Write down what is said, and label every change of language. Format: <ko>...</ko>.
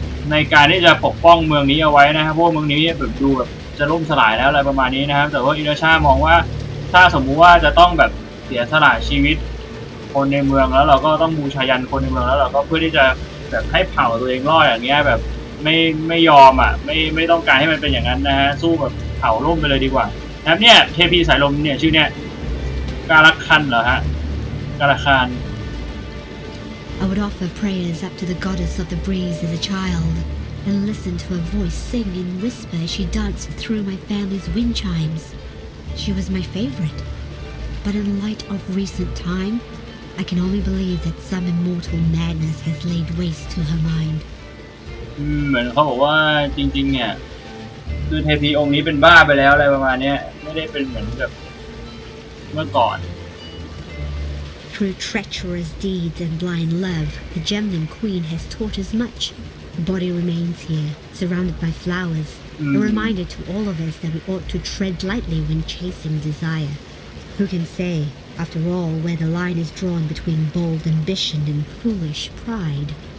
<th>ในการที่จะปกป้องเมืองนี้เอาไว้นะครับเพราะเมืองนี้แบบดูแบบจะล่มสลายแล้วอะไรประมาณนี้นะครับแต่ว่าอิราชามองว่าถ้าสมมุติว่าจะต้องแบบเสียสละชีวิตคนในเมืองแล้วเราก็ต้องบูชายันคนในเมืองแล้วเราก็เพื่อที่จะแบบให้เผ่าตัวเองรอดอย่างเงี้ยแบบไม่ยอมอ่ะไม่ต้องการให้มันเป็นอย่างนั้นนะฮะสู้แบบเผ่าล่มไปเลยดีกว่าครับเนี่ยเทพีสายลมเนี่ยชื่อเนี่ยกาลคันเหรอฮะกาลคัน</th> <en>I would offer prayers up to the goddess of the breeze as a childAnd listened to her voice sing in whisper as she danced through my family's wind chimes. She was my favorite. But in light of recent time, I can only believe that some immortal madness has laid waste to her mind.</en> <th>เหมือนเขาบอกว่าจริงๆเนี่ยคือเทพีองค์นี้เป็นบ้าไปแล้วอะไรประมาณนี้ไม่ได้เป็นเหมือนแบบเมื่อก่อน</th> <en>Through treacherous deeds and blind love, the Gemnian Queen has taught us much. Body remains here, surrounded by flowers, a reminder to all of us that we ought to tread lightly when chasing desire. Who can say, after all, where the line is drawn between bold ambition and foolish pride?</en>